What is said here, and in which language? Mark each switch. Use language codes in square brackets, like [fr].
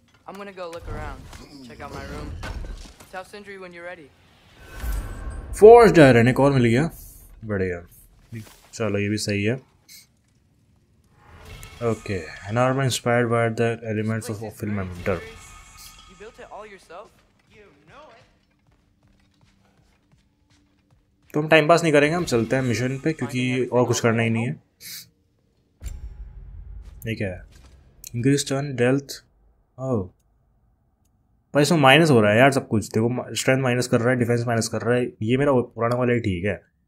[en] I'm gonna go look around, check out my room. Tell Sindri when you're ready. [hi] Forged iron, एक और मिल गया, बढ़िया। चलो ये भी सही है। [en] Okay, an armor inspired by the elements of fulfillment. You built it all yourself? You know it. [hi] तो हम टाइम पास नहीं करेंगे, हम चलते हैं मिशन पे, क्योंकि और कुछ करना ही नहीं है। ठीक है, इंक्रीज टर्न डेल्थ, ओह पर इसमें माइनस हो रहा है यार सब कुछ, देखो स्ट्रेंथ माइनस कर रहा है, डिफेंस माइनस कर रहा है, ये मेरा पुराना वाला ही ठीक है।